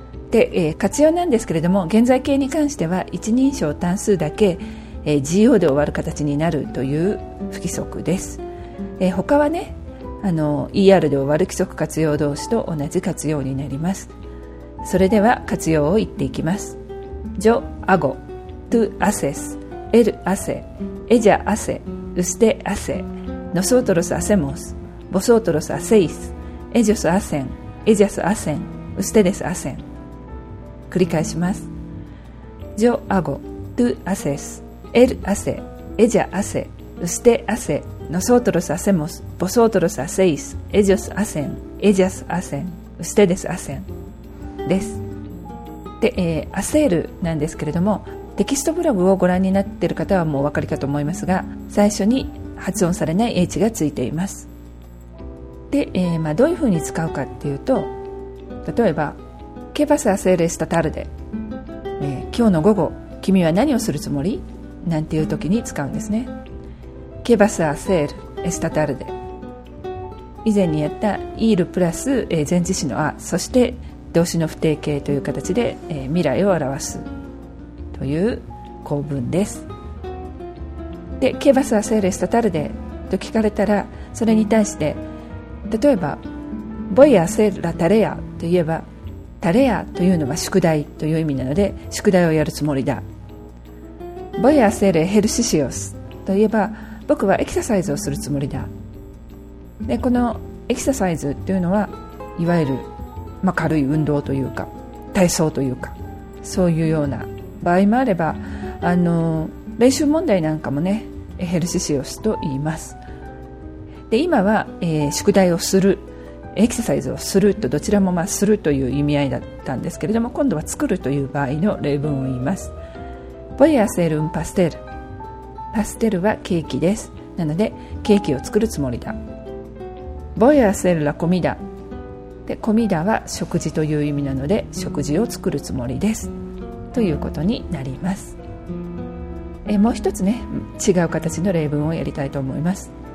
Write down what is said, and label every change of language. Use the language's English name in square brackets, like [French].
[Japanese] で、活用なんですけれども、現在形に関しては一人称単数だけ、GO で終わる形になるという不規則です。他はねER で終わる規則活用動詞と同じ活用になります。それでは活用を言っていきます。 [Spanish] Yo hago, tú haces, él hace, ella hace, usted hace, nosotros hacemos, vosotros hacéis, ellos hacen, ellas hacen, ustedes hacen。 [Japanese] 繰り返します。 [Spanish] Yo hago, tú haces, él hace, ella hace, usted haceNosotros hacemos, vosotros hacéis, ellos hacen, ellas hacen, ustedes hacen です。 [Japanese] で、アセールなんですけれども、テキストブログをご覧になっている方はもうお分かりかと思いますが、最初に発音されない H がついています。で、どういうふうに使うかっていうと、例えば [Spanish] ¿Qué vas a hacer esta tarde?、 [Japanese] 今日の午後、君は何をするつもり? なんていう時に使うんですね。 [Spanish] ¿Qué vas a hacer esta tarde? [Japanese] 以前にやったIr プラス前置詞のA、そして動詞の不定形という形で未来を表すという構文です。 [Spanish] で、¿Qué vas a hacer esta tarde? [Japanese] と聞かれたら、それに対して例えば [Spanish] Voy a hacer la tarea [Japanese] といえば、 tarea というのは宿題という意味なので、宿題をやるつもりだ。 [Spanish] Voy a hacer ejercicios [Japanese] といえば、僕はエクササイズをするつもりだ。で、このエクササイズというのは、いわゆる、軽い運動というか体操というか、そういうような場合もあれば、練習問題なんかもね、ヘルシシオスと言います。で、今は、宿題をする、エクササイズをするとどちらもするという意味合いだったんですけれども、今度は作るという場合の例文を言います。 [Spanish] Voy a hacer un pastel [Japanese] パステルはケーキです。なので、ケーキを作るつもりだ。 [Spanish] Voy a hacer la comida。 [Japanese] で、comidaは食事という意味なので、食事を作るつもりです。ということになります。もう一つね、違う形の例文をやりたいと思います。